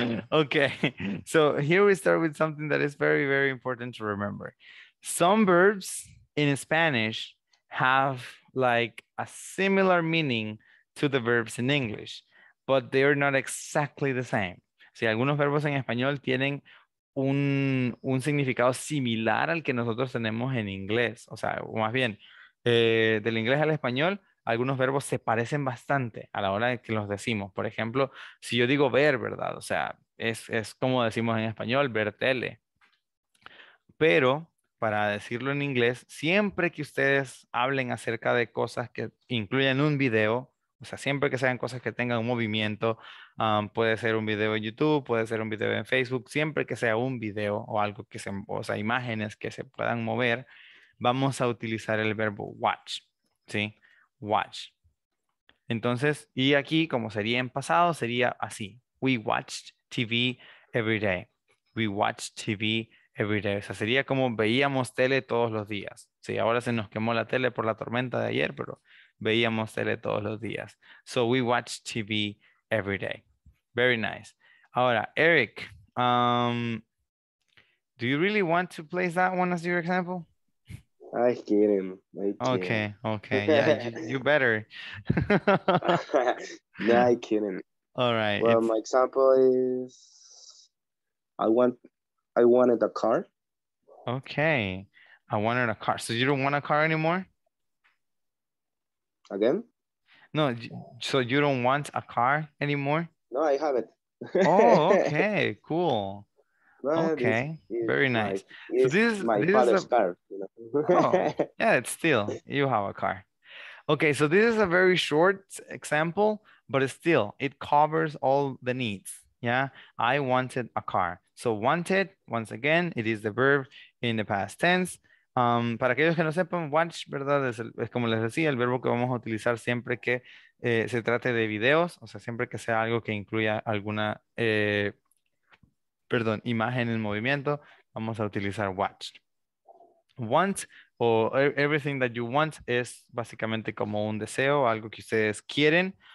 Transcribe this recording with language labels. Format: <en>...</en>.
<en>Okay, so here we start with something that is very, very important to remember. Some verbs in Spanish have like a similar meaning to the verbs in English, but they are not exactly the same.</en> <es>Si, algunos verbos en español tienen un significado similar al que nosotros tenemos en inglés. O sea, más bien, del inglés al español, algunos verbos se parecen bastante a la hora de que los decimos. Por ejemplo, si yo digo ver, ¿verdad? O sea, es como decimos en español, ver tele. Pero, para decirlo en inglés, siempre que ustedes hablen acerca de cosas que incluyan un video, o sea, siempre que sean cosas que tengan un movimiento, puede ser un video en YouTube, puede ser un video en Facebook, siempre que sea un video o algo que se, o sea, imágenes que se puedan mover, vamos a utilizar el verbo watch, ¿sí? Watch. Entonces, y aquí, como sería en pasado, sería así.</es> <en>We watched TV every day. We watched TV every day.</en> <es>O sea, sería como veíamos tele todos los días. Sí, ahora se nos quemó la tele por la tormenta de ayer, pero veíamos tele todos los días.</es> <en>So, we watched TV every day. Very nice. Ahora, Eric, do you really want to place that one as your example? I kidding. Okay, okay. Yeah, you better. No, I kidding. All right. Well, my example is I wanted a car. Okay. I wanted a car. So you don't want a car anymore? Again? No, so you don't want a car anymore? No, I have it. Oh, okay, cool. But okay, it's very nice. My, so this is my this father's is a, car. You know? Oh, yeah, it's still, you have a car. Okay, so this is a very short example, but it's still, it covers all the needs. Yeah, I wanted a car. So wanted, once again, it is the verb in the past tense.</en> <es>Para aquellos que no sepan, watch, ¿verdad? Es como les decía, el verbo que vamos a utilizar siempre que se trate de videos, o sea, siempre que sea algo que incluya alguna... perdón, imagen en movimiento, vamos a utilizar watch. Want, o</es> <en>everything that you want,</en> <es>es básicamente como un deseo, algo que ustedes quieren.</es>